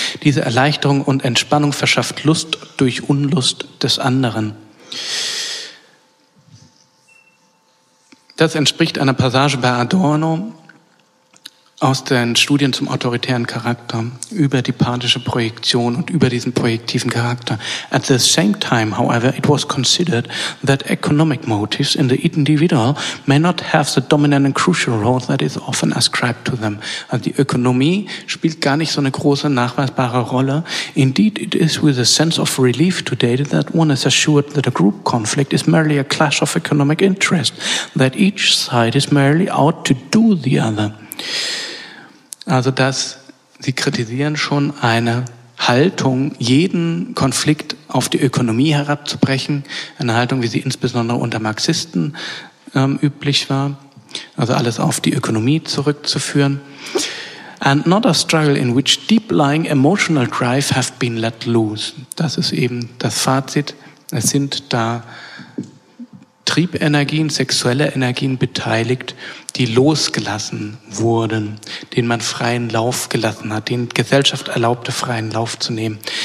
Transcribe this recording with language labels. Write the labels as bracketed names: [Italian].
[German] Diese Erleichterung und Entspannung verschafft Lust durch Unlust des anderen. Das entspricht einer Passage bei Adorno aus den Studien zum autoritären Charakter über die pathische Projektion und über diesen projektiven Charakter. [English] At the same time, however, it was considered that economic motives in the individual may not have the dominant and crucial role that is often ascribed to them. [German] Also die Ökonomie spielt gar nicht so eine große nachweisbare Rolle. [English] Indeed, it is with a sense of relief today that one is assured that a group conflict is merely a clash of economic interest, that each side is merely out to do the other. [German] Also dass sie kritisieren schon eine Haltung, jeden Konflikt auf die Ökonomie herabzubrechen, eine Haltung, wie sie insbesondere unter Marxisten üblich war, also alles auf die Ökonomie zurückzuführen. [English] And not a struggle in which deep-lying emotional drive have been let loose. [German] Das ist eben das Fazit. Es sind da Triebenergien, sexuelle Energien beteiligt, die losgelassen wurden, denen man freien Lauf gelassen hat, denen Gesellschaft erlaubte, freien Lauf zu nehmen.